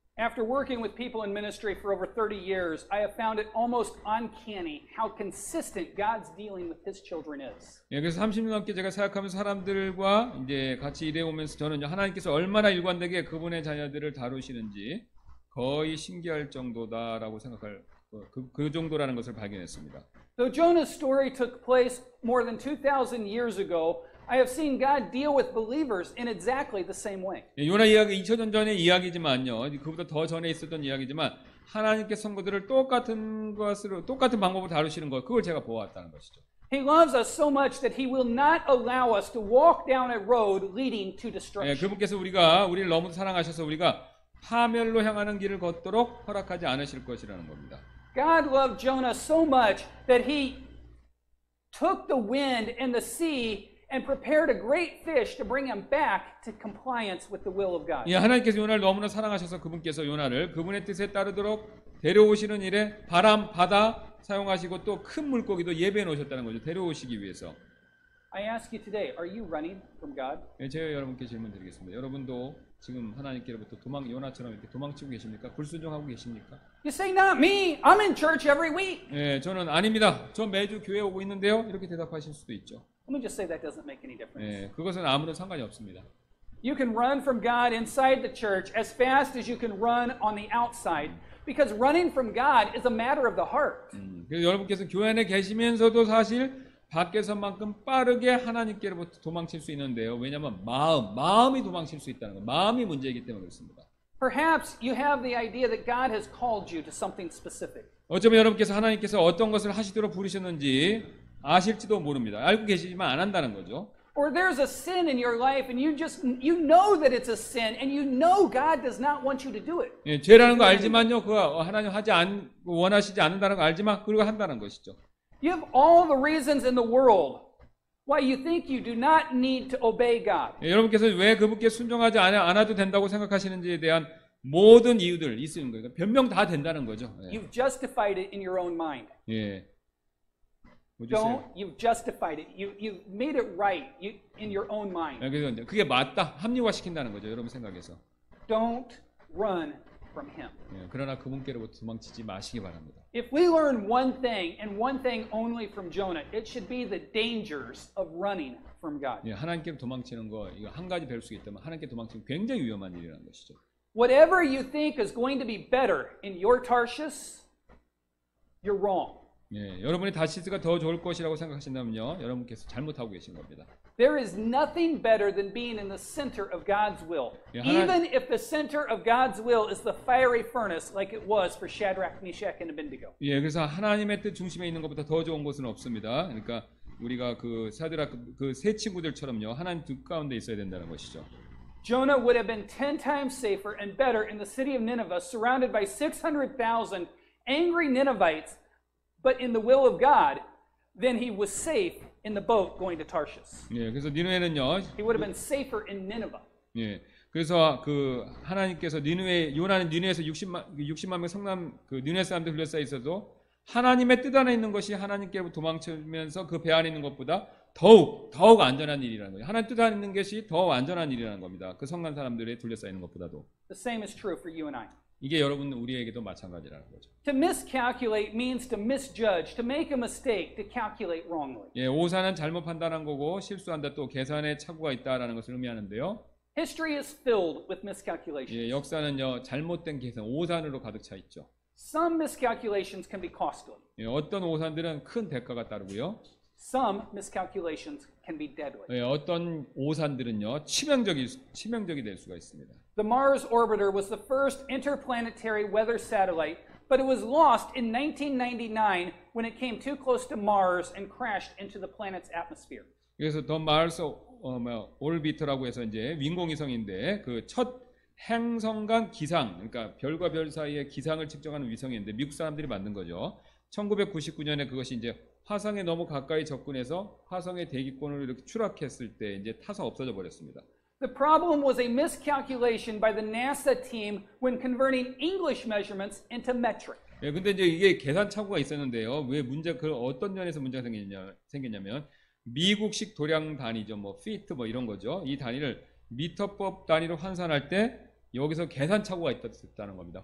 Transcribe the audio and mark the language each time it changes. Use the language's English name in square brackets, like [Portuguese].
[English] After working with people in ministry for over 30 years, I have found it almost uncanny how consistent God's dealing with His children is. [Korean] 예, 그래서 30년 넘게 제가 생각하면서 사람들과 이제 같이 일해 오면서 저는 하나님께서 얼마나 일관되게 그분의 자녀들을 다루시는지 거의 신기할 정도다라고 생각할 그 정도라는 것을 발견했습니다. [English] Though Jonah's story took place more than 2,000 years ago, I have seen God deal with believers in exactly the same way. [Korean] 요나 이야기 2000년 전의 이야기지만요. 그보다 더 전에 있었던 이야기지만 하나님께 성도들을 똑같은 것으로 똑같은 방법으로 다루시는 것 그걸 제가 보았다는 것이죠. [English] He loves us so much that he will not allow us to walk down a road leading to destruction. [Korean] 예, 그분께서 우리를 너무 사랑하셔서 우리가 파멸로 향하는 길을 걷도록 허락하지 않으실 것이라는 겁니다. [English] God loved Jonah so much that he took the wind and the sea and prepared a great fish to bring him back to compliance with the will of God. [Korean] 예, 하나님께서 요나를 너무나 사랑하셔서 그분께서 요나를 그분의 뜻에 따르도록 데려오시는 일에 바람, 바다 사용하시고 또 큰 물고기도 예비해 놓으셨다는 거죠. 데려오시기 위해서. [English] I ask you today, are you running from God? [Korean] 예, 제가 여러분께 질문 드리겠습니다. 여러분도 지금 하나님께로부터 도망 요나처럼 이렇게 도망치고 계십니까? 불순종하고 계십니까? [English] You say not me. I'm in church every week. [Korean] 예, 저는 아닙니다. 저 매주 교회 오고 있는데요. 이렇게 대답하실 수도 있죠. [English] Let me just say that doesn't make any difference. [Korean] 예, 그것은 아무런 상관이 없습니다. [English] You can run from God inside the church as fast as you can run on the outside because running from God is a matter of the heart. [Korean] 그래서 여러분께서 교회 안에 계시면서도 사실 밖에서만큼 빠르게 하나님께로부터 도망칠 수 있는데요. 왜냐하면 마음이 도망칠 수 있다는 거예요. 마음이 문제이기 때문에 그렇습니다. [English] Perhaps you have the idea that God has called you to something specific. [Korean] 어쩌면 여러분께서 하나님께서 어떤 것을 하시도록 부르셨는지 아실지도 모릅니다. 알고 계시지만 안 한다는 거죠. [English] Or there's a sin in your life and you know that it's a sin and you know God does not want you to do it. [Korean] 예, 죄라는 거 알지만요. 그거 하나님 원하시지 않는다는 거 알지만 그리고 한다는 것이죠. [English] You have all the reasons in the world why you think you do not need to obey God. [Korean] 예, 여러분께서 왜 그분께 순종하지 않아도 된다고 생각하시는지에 대한 모든 이유들 있으신 거예요. 변명 다 된다는 거죠. 예. [English] You've justified it in your own mind. 예. Don't you justified it? You made it right in your own mind. [Korean] 그게 맞다 합리화시킨다는 거죠 여러분 생각에서. [English] Don't run from him. [Korean] 그러나 그분께로부터 도망치지 마시기 바랍니다. [English] If we learn one thing and one thing only from Jonah, it should be the dangers of running from God. [Korean] 하나님께로 도망치는 거 이거 한 가지 배울 수 있다면 하나님께 도망치는 거 굉장히 위험한 일이라는 것이죠. [English] Whatever you think is going to be better in your Tarshish, you're wrong. [Korean] 예, 여러분이 다시스가 더 좋을 것이라고 생각하신다면요, 여러분께서 잘못하고 계신 겁니다. [English] There is nothing better than being in the center of God's will, even if the center of God's will is the fiery furnace, like it was for Shadrach, Meshach, and Abednego. [Korean] 예, 그래서 하나님의 뜻 중심에 있는 것보다 더 좋은 것은 없습니다. 그러니까 우리가 그 사드락 그 세 친구들처럼요, 하나님 뜻 가운데 있어야 된다는 것이죠. [English] Jonah would have been 10 times safer and better in the city of Nineveh, surrounded by 600,000 angry Ninevites. But in the will of God, then he was safe in the boat going to Tarshish. [Korean] 예, 그래서 니느웨는요. [English] He would have been safer in Nineveh. [Korean] 예, 그래서 그 하나님께서 니느웨 요나는 니느웨에서 60만 명 성남 그 니느웨 사람들 흘려싸 있어도 하나님의 뜻 안에 있는 것이 하나님께 도망치면서 그 배 안에 있는 것보다 더욱 안전한 일이라는 거예요. 하나님 뜻 안에 있는 것이 더 안전한 일이라는 겁니다. 그 성난 사람들의 둘려싸 있는 것보다도. [English] The same is true for you and I. [Korean] 이게 여러분 우리에게도 마찬가지라는 거죠. [English] To miscalculate means to misjudge, to make a mistake, to calculate wrongly. [Korean] 예, 오산은 잘못 판단한 거고 실수한다 또 계산에 착오가 있다라는 것을 의미하는데요. [English] History is filled with miscalculations. [Korean] 예, 역사는요 잘못된 계산 오산으로 가득 차 있죠. [English] Some miscalculations can be costly. [Korean] 예, 어떤 오산들은 큰 대가가 따르고요. [English] Some miscalculations can be deadly. [Korean] 예, 어떤 오산들은요 치명적이 될 수가 있습니다. [English] The Mars orbiter was the first interplanetary weather satellite but it was lost in 1999 when it came too close to Mars and crashed into the planet's atmosphere. [Korean] 그래서 더 마을서 오르비트라고 해서 이제 인공위성인데 그 첫 행성 간 기상, 그러니까 별과 별 사이의 기상을 측정하는 위성인데 미국 사람들이 만든 거죠. 1999년에 그것이 이제 화성에 너무 가까이 접근해서 화성의 대기권으로 이렇게 추락했을 때 이제 타서 없어져 버렸습니다. [English] The problem was a miscalculation by the NASA team when converting English measurements into metric. [Korean] 예, 근데 이제 이게 계산 착오가 있었는데요. 왜 문제 그 어떤 면에서 문제가 생겼냐면 미국식 도량 단위죠. 뭐 피트 뭐 이런 거죠. 이 단위를 미터법 단위로 환산할 때 여기서 계산 착오가 있었다는 겁니다.